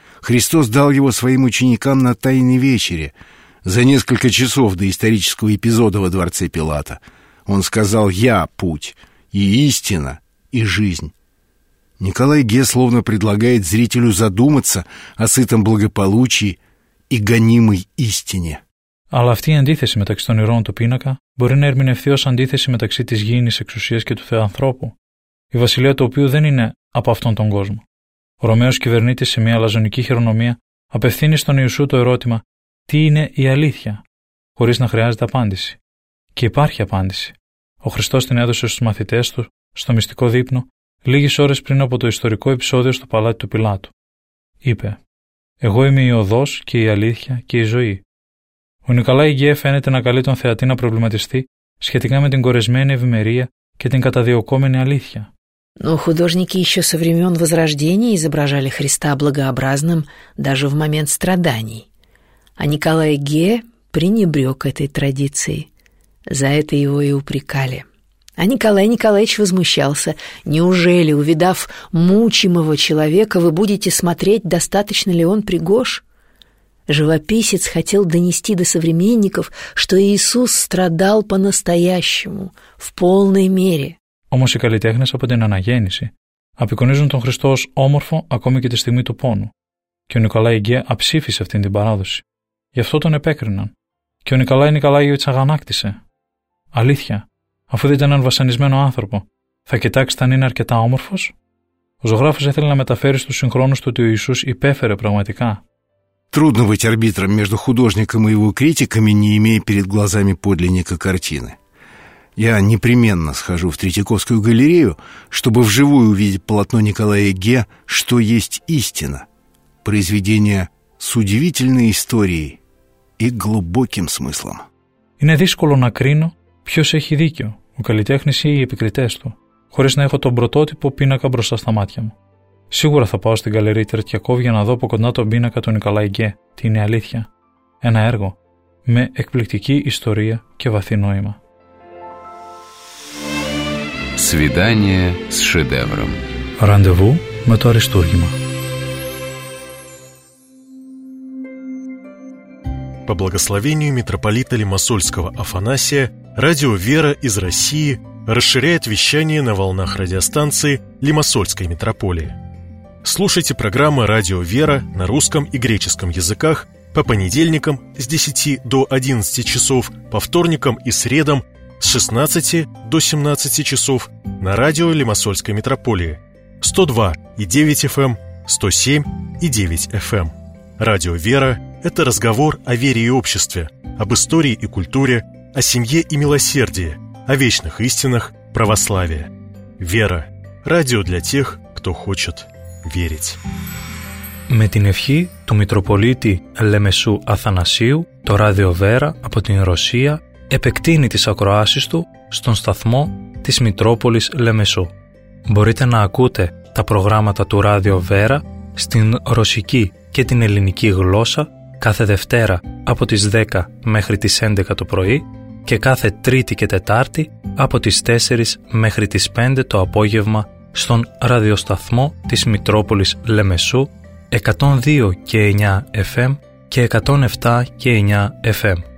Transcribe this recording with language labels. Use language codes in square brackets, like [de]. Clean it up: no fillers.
[ru] Христос дал его своим ученикам на Тайной вечере, за несколько часов до исторического эпизода во дворце Пилата. Он сказал «Я – путь». И истина, и жизнь. Николай Гей словно предлагает зрителю задуматься о сытом благополучии и гонимой истине. [el] Αλλά αυτή η αντίθεση μεταξύ των ηρών του πίνακα μπορεί να ερμηνευθεί ως αντίθεση μεταξύ της γήινης εξουσίας και του θεανθρώπου, η βασιλεία του οποίου δεν είναι από αυτόν τον κόσμο. Ο Ρωμαίος κυβερνήτης σε μια λαζονική χειρονομία απευθύνει στον Ιησού το ερώτημα «Τι είναι η αλήθεια?» χωρίς να χρειάζεται απάντηση. Και υπάρχει απάντηση. Ο Χριστός την έδωσε στους μαθητές του, στο μυστικό δείπνο, λίγες ώρες πριν από το ιστορικό επεισόδιο στο παλάτι του Πιλάτου. Είπε «Εγώ είμαι η οδός και η αλήθεια και η ζωή». Ο Νικολάη Γκέ φαίνεται να καλεί τον θεατή να προβληματιστεί σχετικά με την κορεσμένη ευημερία και την καταδιωκόμενη αλήθεια. [ru] Но художники еще со времен Возрождения изображали Христа благообразным даже в момент страданий. А Николай Гье пренебрег этой традицией. За это его и упрекали. А Николай Николаевич возмущался. Неужели, увидав мучимого человека, вы будете смотреть, достаточно ли он пригож? Живописец хотел донести до современников, что Иисус страдал по-настоящему, в полной мере. [el] Όμως οι καλλιτέχνες από την Αναγέννηση απεικονίζουν τον Χριστό ως όμορφο ακόμη και τη στιγμή του πόνου. Και ο Νικολάη Γκέ αψήφισε αυτήν την παράδοση. Γι' αυτό τον επέκριναν. Και ο Νικολάη Νικολάγεβιτς αγανάκτησε. Αλήθεια, αφού δείτε έναν βασανισμένο άνθρωπο, Θα κοιτάξετε αν είναι αρκετά όμορφος. Ο ζωγράφος ήθελε να μεταφέρει στους συγχρόνους του ότι ο Ιησούς υπέφερε πραγματικά. [ru] Трудно быть арбитром между художником и его критиками, не имея перед глазами подлинника картины. Я непременно схожу в Третьяковскую галерею, чтобы вживую увидеть полотно Николая Ге «Что есть истина» – произведение с удивительной историей и глубоким смыслом. [el] Είναι δύσκολο να κρίνω ποιος έχει δίκιο, ο καλλιτέχνης ή οι επικριτές του, χωρίς να έχω τον πρωτότυπο πίνακα μπροστά στα μάτια μου. Σίγουρα θα πάω στην Γκαλερί Τερτιακόβ για να δω από κοντά τον πίνακα του Νικολάη Γκέ, τι είναι αλήθεια. Ένα έργο με εκπληκτική ιστορία και βαθύ νόημα. [ru] Σβιντάνιε σ σεντεύρομ. [el] Ραντεβού με το αριστούργημα. [ru] По благословению митрополита Лимассольского Афанасия, радио «Вера» из России расширяет вещание на волнах радиостанции Лимассольской митрополии. Слушайте программы «Радио Вера» на русском и греческом языках по понедельникам с 10 до 11 часов, по вторникам и средам с 16 до 17 часов на радио Лимассольской митрополии 102.9 FM, 107.9 FM. Радио «Вера» – это разговор о вере и обществе, об истории и культуре, о семье и милосердии, о вечных истинах православия. «Вера» – радио для тех, кто хочет верить. [el] Με την ευχή του Μητροπολίτη Λεμεσού Αθανασίου, το Ράδιο Βέρα από την Ρωσία επεκτείνει τις ακροάσεις του στον σταθμό της Μητρόπολης Λεμεσού. Μπορείτε να ακούτε τα προγράμματα του Ράδιο Βέρα στην ρωσική και την ελληνική γλώσσα κάθε Δευτέρα από τις 10 μέχρι τις 11 το πρωί και κάθε Τρίτη και Τετάρτη από τις 4 μέχρι τις 5 το απόγευμα στον ραδιοσταθμό της Μητρόπολης Λεμεσού 102 και 9 FM και 107 και 9 FM.